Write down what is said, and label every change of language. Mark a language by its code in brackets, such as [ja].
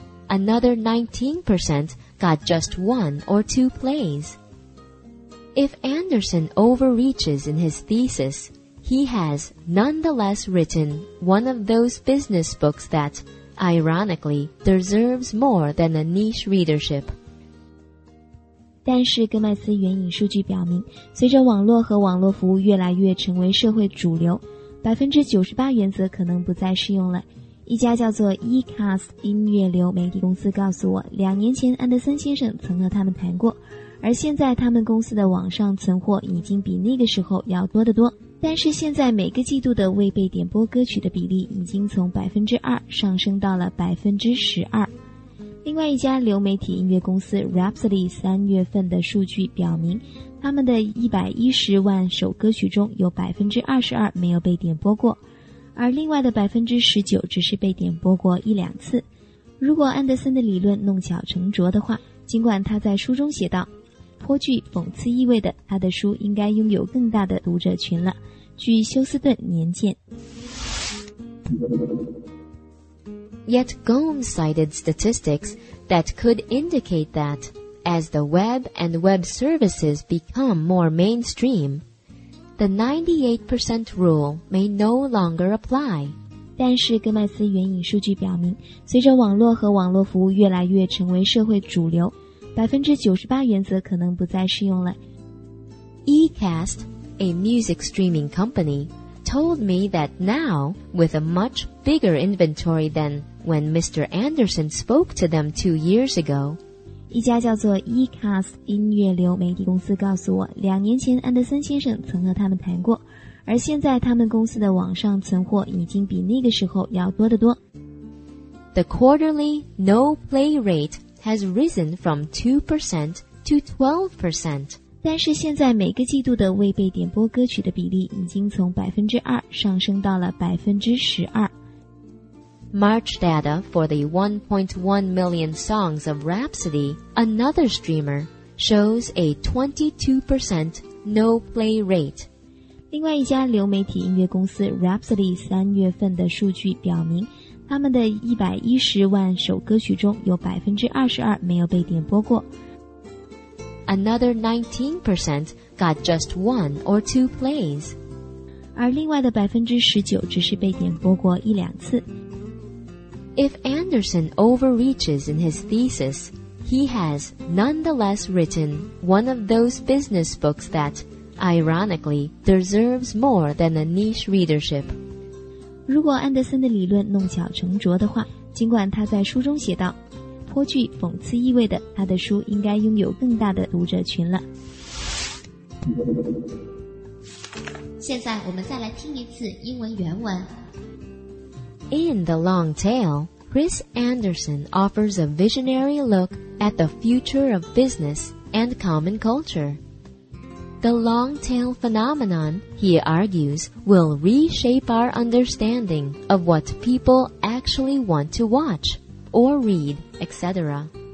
[en] Another 19% got just 1 or 2 plays. If Anderson overreaches in his thesis, he has nonetheless written one of those business books that, ironically, deserves more than a niche readership. [zh] 但是戈麦斯援引数据表明，随着网络和网络服务越来越成为社会主流，98%原则可能不再适用了。一家叫做 Ecast 音乐流媒体公司告诉我，2年前安德森先生曾和他们谈过，而现在他们公司的网上存货已经比那个时候要多得多。但是现在每个季度的未被点播歌曲的比例已经从2%上升到了12%。另外一家流媒体音乐公司 Rhapsody 3月份的数据表明，他们的110万首歌曲中有22%没有被点播过，而另外的19%只是被点播过1-2次。如果安德森的理论弄巧成拙的话，尽管他在书中写道，颇具讽刺意味的，他的书应该拥有更大的读者群了。据休斯顿年鉴。 [en] Yet Gomes cited statistics that could indicate that, as the web and web services become more mainstream, the 98% rule may no longer apply. [zh] 但是戈麦斯援引数据表明，随着网络和网络服务越来越成为社会主流，98%原则可能不再适用了。 [en] Ecast, a music streaming company,told me that now, with a much bigger inventory than when Mr. Anderson spoke to them 2 years ago. [zh] 一家叫做 Ecast 音乐流媒体公司告诉我，2年前安德森先生曾和他们谈过，而现在他们公司的网上存货已经比那个时候要多得多。 [en] The quarterly no-play rate has risen from 2% to 12%. [zh] 但是现在每个季度的未被点播歌曲的比例已经从 2% 上升到了 12%。 [en] March data for the 1.1 million songs of Rhapsody, another streamer, shows a 22% no play rate. [zh] 另外一家流媒体音乐公司 Rhapsody 三月份的数据表明，他们的110万首歌曲中有 22% 没有被点播过。 [en] Another 19% got just one or two plays. [zh] 而另外的 19% 只是被点播过一两次。 [en] If Anderson overreaches in his thesis, he has nonetheless written one of those business books that, ironically, deserves more than a niche readership. [zh] 如果安德森的理论弄巧成拙的话，尽管他在书中写道，颇具讽刺意味的，他的书应该拥有更大的读者群了。现在我们再来听一次英文原文。 [en] In The Long Tail, Chris Anderson offers a visionary look at the future of business and common culture. The long tail phenomenon, he argues, will reshape our understanding of what people actually want to watch or read, etc.